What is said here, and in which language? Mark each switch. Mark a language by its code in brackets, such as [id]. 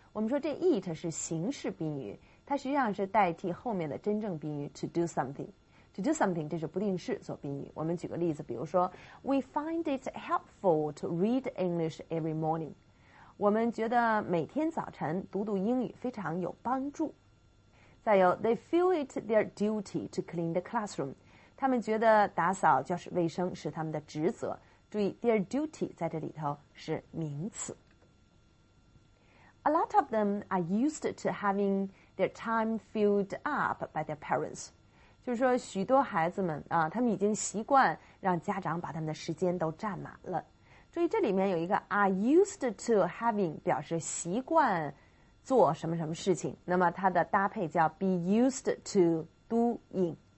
[zh] 我们说这 it 是形式宾语，它实际上是代替后面的真正宾语 [en] to do something。 to do something [zh] 这是不定式做宾语。我们举个例子，比如说 [en] ，We find it helpful to read English every morning。 [zh] 我们觉得每天早晨读读英语非常有帮助。 [en] 再有 ，They feel it their duty to clean the classroom。 [zh] 他们觉得打扫教室卫生是他们的职责。注意 ，their duty 在这里头是名词。 [en] A lot of them are used to having their time filled up by their parents。 [zh] 就是说，许多孩子们啊，他们已经习惯让家长把他们的时间都占满了。注意，这里面有一个 [en] are used to having [zh] 表示习惯。做什么什么事情，那么它的搭配叫 [en] be used to doing。